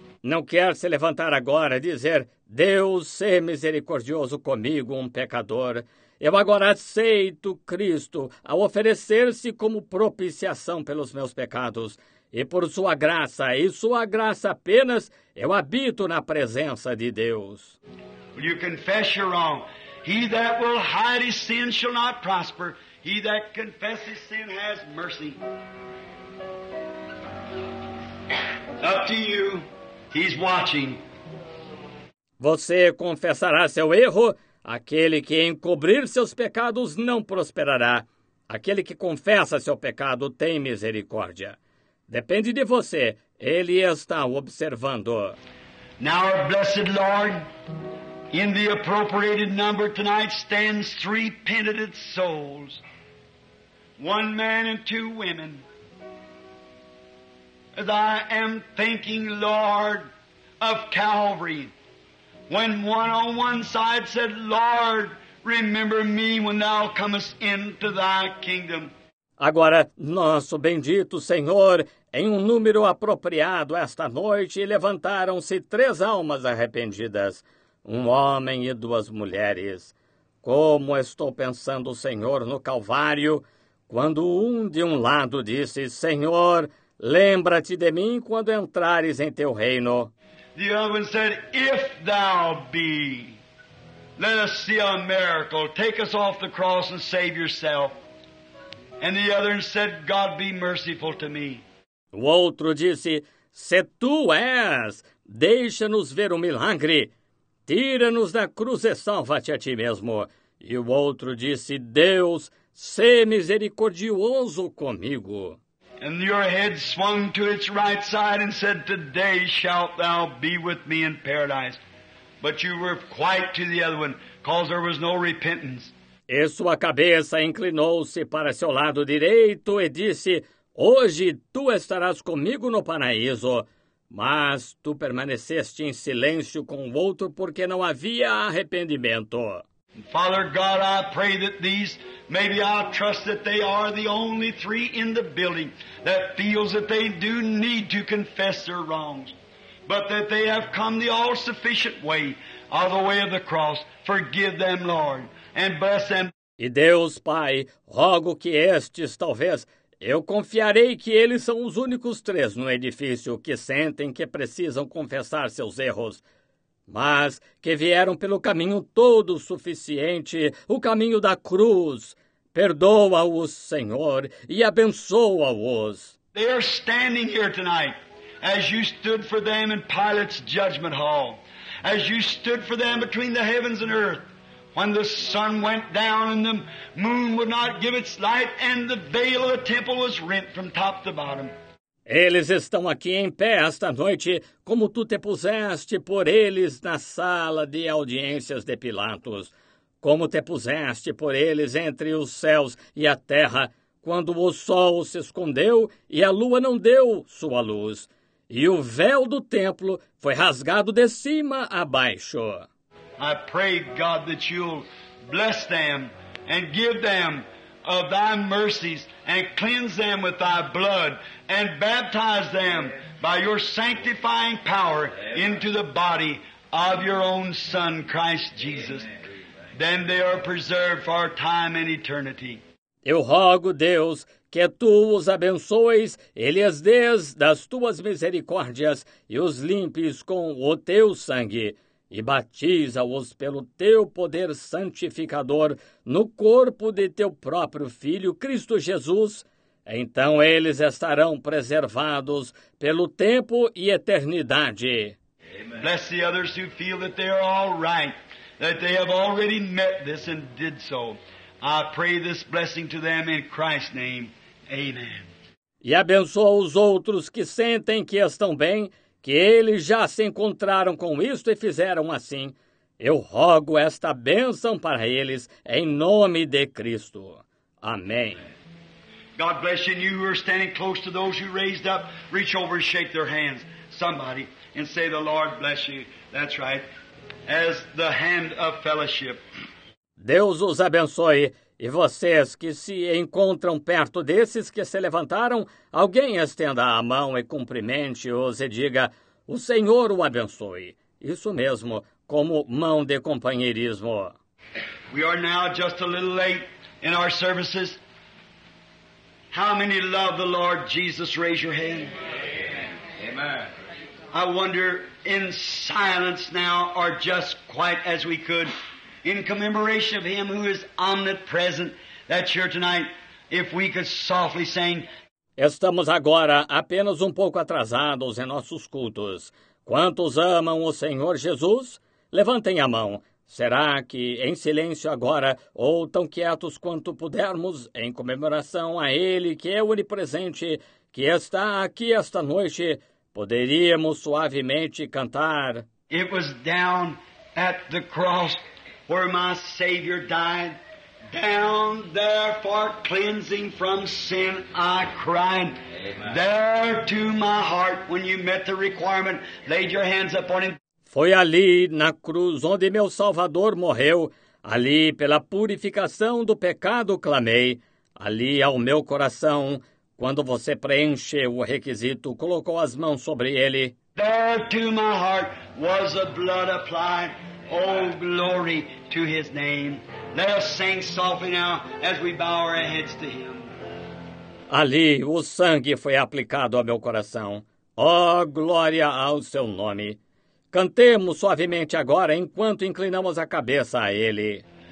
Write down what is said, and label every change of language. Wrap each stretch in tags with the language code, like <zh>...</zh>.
<pt>Não quer se levantar agora e dizer, Deus, sê misericordioso comigo, um pecador. Eu agora aceito Cristo ao oferecer-se como propiciação pelos meus pecados. E por sua graça e sua graça apenas, eu habito na presença de Deus.</pt> <en>Will you confess your wrong? He that will hide his sin shall not prosper. He that confesses sin has mercy. Up to you. He's watching.</en> <pt>Você confessará seu erro? Aquele que encobrir seus pecados não prosperará. Aquele que confessa seu pecado tem misericórdia. Depende de você. Ele está observando.</pt> <en>Now, our blessed Lord, in the appropriated number tonight stands three penitent souls. One man and two women. As I am thinking, Lord, of Calvary, when one on one side said, Lord, remember me when thou comest into thy kingdom.</en> <pt>Agora, nosso bendito Senhor, em um número apropriado esta noite, levantaram-se três almas arrependidas, um homem e duas mulheres. Como estou pensando, Senhor, no Calvário, quando um de um lado disse, Senhor, lembra-te de mim quando entrares em teu reino.</pt> <en>The other one said, if thou be, let us see a miracle. Take us off the cross and save yourself. And the other said, God be merciful to me.</en> <pt>O outro disse, se tu és, deixa-nos ver o milagre. Tira-nos da cruz e salva-te a ti mesmo. E o outro disse, Deus, sê misericordioso comigo.</pt> <en>And your head swung to its right side and said, today shalt thou be with me in paradise. But you were quite to the other one, because there was no repentance.</en> <pt>E sua cabeça inclinou-se para seu lado direito e disse, hoje tu estarás comigo no paraíso. Mas tu permaneceste em silêncio com o outro porque não havia arrependimento.</pt> <en>Father God, I pray that these, maybe I trust that they are the only three in the building that feels that they do need to confess their wrongs, but that they have come the all-sufficient way of the way of the cross. Forgive them, Lord, and bless them.</en> <pt>E Deus, Pai, rogo que estes, talvez, eu confiarei que eles são os únicos três no edifício que sentem que precisam confessar seus erros. mas que vieram pelo caminho todo suficiente, o caminho da cruz. Perdoa-os, Senhor, e abençoa-os.</pt> <en>They are standing here tonight, as you stood for them in Pilate's judgment hall, as you stood for them between the heavens and earth, when the sun went down and the moon would not give its light, and the veil of the temple was rent from top to bottom.</en> <pt>Eles estão aqui em pé esta noite, como tu te puseste por eles na sala de audiências de Pilatos, como te puseste por eles entre os céus e a terra, quando o sol se escondeu e a lua não deu sua luz, e o véu do templo foi rasgado de cima a baixo.</pt> <en>I pray, God, that you'll bless them and give them of thy mercies and cleanse them with thy blood and baptize them by your sanctifying power into the body of your own Son, Christ Jesus. Then they are preserved for time and eternity.</en> <pt>Eu rogo, Deus, que tu os abençoes e lhes dês das tuas misericórdias e os limpes com o teu sangue. E batiza-os pelo teu poder santificador no corpo de teu próprio Filho, Cristo Jesus. Então eles estarão preservados pelo tempo e eternidade.</pt> <en>Bless the others who feel that they are all right, that they have already met this and did so. I pray this blessing to them in Christ's name. Amen.</en> <pt>E abençoa os outros que sentem que estão bem, que eles já se encontraram com isto e fizeram assim. Eu rogo esta bênção para eles, em nome de Cristo. Amém.</pt> <en>God bless you, and you who are standing close to those you raised up, reach over and shake their hands, somebody, and say, the Lord bless you. That's right. As the hand of fellowship.</en> <pt>Deus os abençoe. E vocês que se encontram perto desses que se levantaram, alguém estenda a mão e cumprimente-os e diga, o Senhor o abençoe. Isso mesmo, como mão de companheirismo.</pt> <en>We are now just a little late in our services. How many love the Lord Jesus? Raise your hand. Amen. Amen. I wonder, in silence now, or just quite as we could, in commemoration of Him who is omnipresent, that's here tonight, if we could softly sing.</en> <pt>Estamos agora apenas pouco atrasados em nossos cultos. Quantos amam o Senhor Jesus? Levantem a mão. Será que em silêncio agora, ou tão quietos quanto pudermos, em comemoração a Ele que é onipresente, que está aqui esta noite, poderíamos suavemente cantar?</pt> <en>It was down at the cross where my Savior died, down there for cleansing from sin I cried. Amen. There to my heart, when you met the requirement, laid your hands upon Him.</en> <pt>Foi ali na cruz onde meu Salvador morreu, ali pela purificação do pecado clamei, ali ao meu coração, quando você preencheu o requisito, colocou as mãos sobre ele.</pt> <en>There to my heart was the blood applied. Oh, glory to His name. Let us sing softly now as we bow our heads to Him.</en> <pt>Ali o sangue foi aplicado ao meu coração. Oh, glória ao Seu nome. Cantemos suavemente agora enquanto inclinamos a cabeça a Ele.</pt>